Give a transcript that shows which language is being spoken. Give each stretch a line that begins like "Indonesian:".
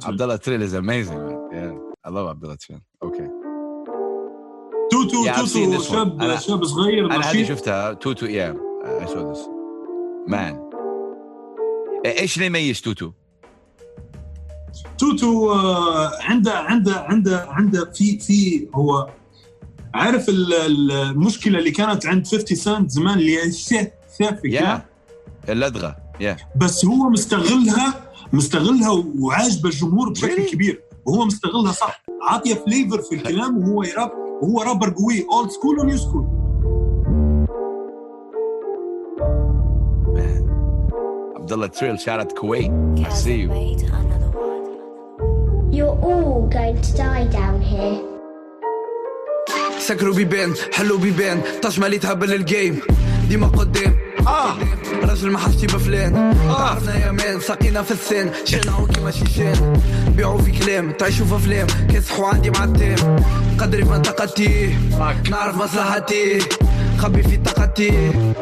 English: عبد الله Terrell is amazing man yeah. I love عبد الله تريل okay
Arabic: توتو شاب صغير انا هذه شفتها توتو
English: yeah I saw this man
Arabic: ايش اللي يميز توتو توتو عنده عنده عنده عنده في هو عارف المشكله اللي كانت عند 50 سنت زمان اللي شافك اللدغة Yeah. بس هو مستغلها وعاجب الجمهور بشكل really? كبير وهو مستغلها صح عاطية فليفر في الكلام وهو يراب وهو رابر قوي
English: old school and new school man عبدالله Terrell
Arabic: شارت كويت
English: I see you you're all going to die down here
Arabic: سكروا بيبان حلوا بيبان طاش مالي تهبل الجيم ديما قدام رجل ما حاشتي بفلان طارنا يا مان ساقينا في السن شنعو كيما شيشان بيعو في كلام تعيشو في فلام كسحو عندي مع التام قدري من طاقتي نعرف مصلحتي خبي في طاقتي